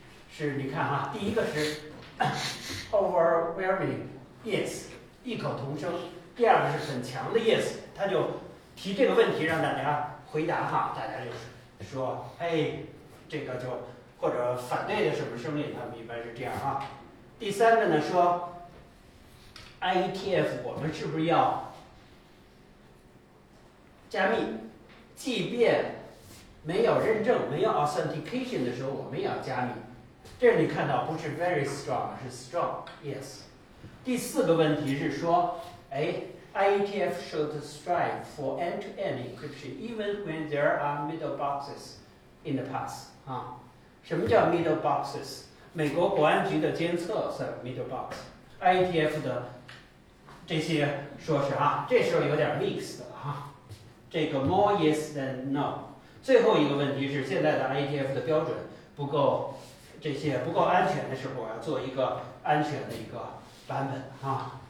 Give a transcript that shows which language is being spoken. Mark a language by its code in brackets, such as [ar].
[zh] 是，你看哈，第一个是 [en] overwhelming yes， [zh] 异口同声；第二个是很强的 yes， 他就提这个问题让大家回答哈，大家就说，哎，这个就或者反对的什么声音，他们一般是这样哈。第三个呢，说 IETF 我们是不是要加密？即便没有认证、没有 authentication 的时候，我们也要加密。这你看到不是 [en] very strong， [zh] 是 [en] strong yes。 [zh] 第四个问题是说，哎， [en] IETF should strive for end-to-end encryption even when there are middle boxes in the pass、 [zh] 啊、什么叫 [en] middle boxes？ [zh] 美国国安局的监测算 middle box， IETF 的这些说是啊，这时候有点 mixed 的、啊、这个 [en] more yes than no。 [zh] 最后一个问题是，现在的 IETF 的标准不够，这些不够安全的时候，我要做一个安全的一个版本啊。